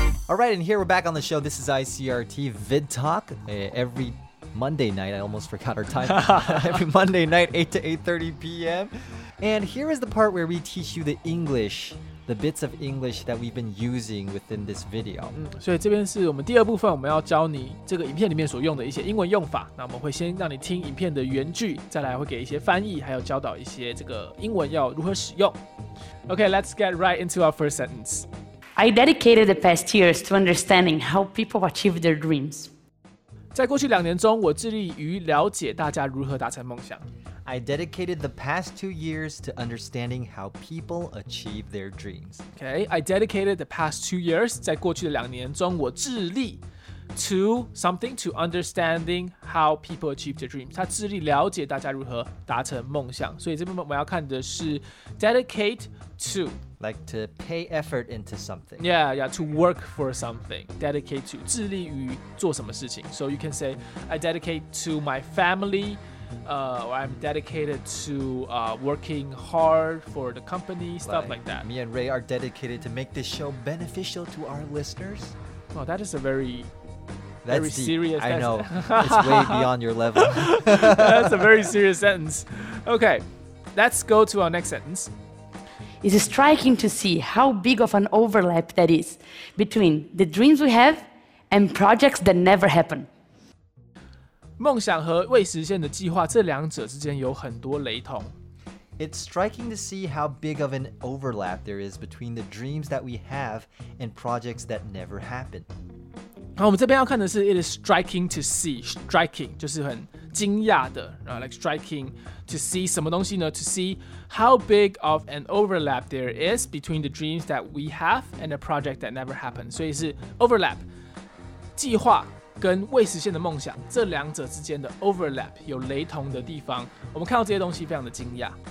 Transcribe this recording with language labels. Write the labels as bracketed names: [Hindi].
[English] All right, and here we're back on the show. This is ICRT VidTalk. Every Monday night. I almost forgot our time. Every Monday night, 8 to 8:30 p.m. And here is the part where we teach you the English, the bits of English that we've been using within this video. [Chinese] 所以这边是我们第二部分，我们要教你这个影片里面所用的一些英文用法。那我们会先让你听影片的原句，再来会给一些翻译，还有教导一些这个英文要如何使用。 [English] Okay, let's get right into our first sentence. I dedicated the past years to understanding how people achieve their dreams. [Chinese] 在过去两年中，我致力于了解大家如何达成梦想。 [English] I dedicated the past 2 years to understanding how people achieve their dreams. Okay, I dedicated the past 2 years, [Chinese] 在过去的两年中，我致力 [English] to something, to understanding how people achieve their dreams. [Chinese] 他致力了解大家如何达成梦想。所以这边我们要看的是 dedicate to. [English] Like to pay effort into something. Yeah, yeah, to work for something. Dedicate to, [Chinese] 致力于做什么事情。 [English] So you can say, I dedicate to my family,I'm dedicated to working hard for the company, stuff like that. Me and Ray are dedicated to make this show beneficial to our listeners. Well, that is a very, that's very deep. Serious. I know. It's way beyond your level. That's a very serious sentence. Okay, let's go to our next sentence. It's striking to see how big of an overlap that is between the dreams we have and projects that never happen. [Chinese] 梦想和未实现的计划，这两者之间有很多雷同。 [English] It's striking to see how big of an overlap there is between the dreams that we have and projects that never happen. [Chinese] 好，我们这边要看的是 ， [English] it is striking to see. Striking [Chinese] 就是很惊讶的，然后 [English] like striking to see [Chinese] 什么东西呢 [English] ？To see how big of an overlap there is between the dreams that we have and a project that never happens. [Chinese] 所以是 overlap 计划。跟未实现的梦想，这两者之间的 overlap 有雷同的地方，我们看到这些东西非常的惊讶。